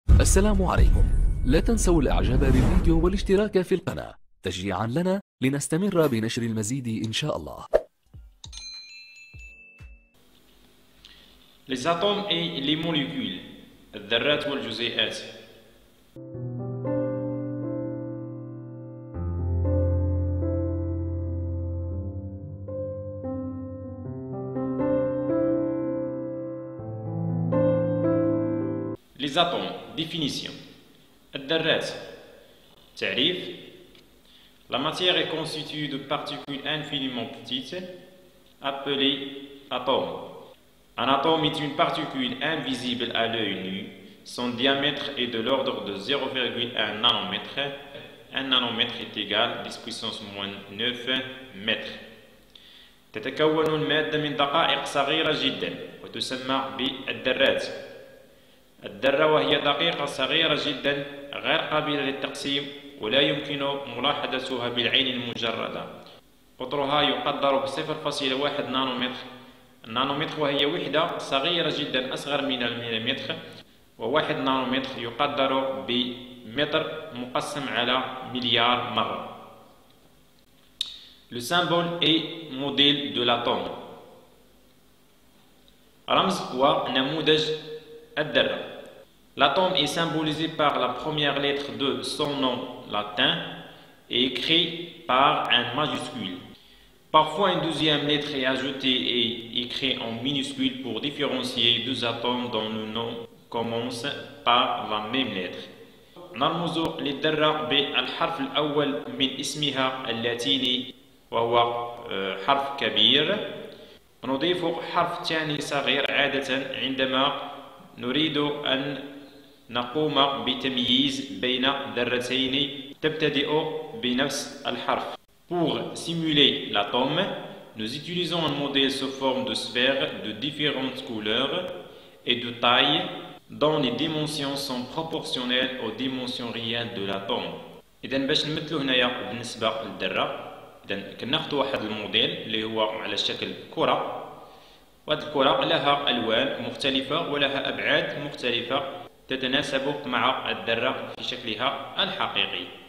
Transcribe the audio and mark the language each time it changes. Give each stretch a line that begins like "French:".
Arabic: السلام عليكم، لا تنسوا الإعجاب بالفيديو والاشتراك في القناة تشجيعا لنا لنستمر بنشر المزيد إن شاء الله.
French: Les atomes et les molécules.
Arabic: الذرات والجزيئات.
French: Les atomes. Définition. الذرات. تعريف. La matière est constituée de particules infiniment petites appelées atomes. Un atome est une particule invisible à l'œil nu. Son diamètre est de l'ordre de 0,1 nanomètre. 1 nanomètre est égal à 10 puissance moins 9 mètres.
Arabic: تتكون المادة من دقائق صغيرة جدا وتسمى بالذرات. الذرة وهي دقيقة صغيرة جدا غير قابلة للتقسيم ولا يمكن ملاحظتها بالعين المجردة. قطرها يقدر ب 0.1 نانومتر. النانومتر وهي وحدة صغيرة جدا أصغر من المليمتر وواحد نانومتر يقدر بمتر مقسم على مليار مرة.
French: Le symbole est modèle de l'atome.
Arabic: رمز ونموذج الذرة.
French: L'atome est symbolisé par la première lettre de son nom latin et écrit par un majuscule. Parfois, une deuxième lettre est ajoutée et écrite en minuscule pour différencier deux atomes dont le nom commence par la même lettre.
Arabic: نرمز للذرة بالحرف الأول من اسمها اللاتيني وهو حرف كبير. نضيف حرف ثاني صغير عادة عندما نريد أن نقوم بتمييز بين ذرتين تبتدئ بنفس الحرف.
French: Pour simuler l'atome, nous utilisons un modèle sous forme de sphère de différentes couleurs et de tailles dont les dimensions sont proportionnelles aux dimensions réelles de l'atome.
Arabic: اذا باش نمثلو هنايا بالنسبه للذره، اذا كناخذ واحد الموديل اللي هو على شكل كره، وهذه الكره لها الوان مختلفه ولها ابعاد مختلفه تتناسب مع الذره في شكلها الحقيقي.